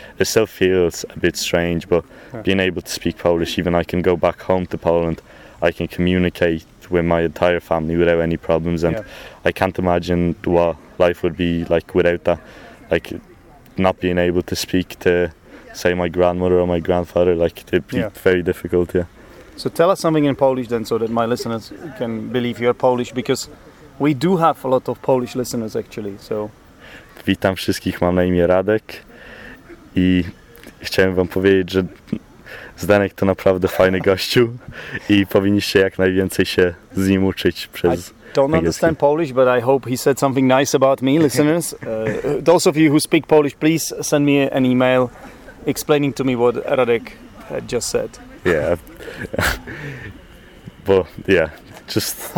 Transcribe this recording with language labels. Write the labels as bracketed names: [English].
[English] It still feels a bit strange, but being able to speak Polish, even I can go back home to Poland, I can communicate with my entire family without any problems, and I can't imagine what life would be like without that, like not being able to speak to, say, my grandmother or my grandfather, like it'd be very difficult. Yeah. So tell us something in Polish then, so that my listeners can believe you're Polish, because we do have a lot of Polish listeners, actually, so... [Polish] Witam wszystkich, mam na imię Radek i chciałem wam powiedzieć, że Zdenek to naprawdę fajny gościu i powinniście jak najwięcej się z nim uczyć przez... [English] I don't understand Polish, but I hope he said something nice about me, listeners. Those of you who speak Polish, please send me an email explaining to me what Radek just said. Yeah, but yeah, just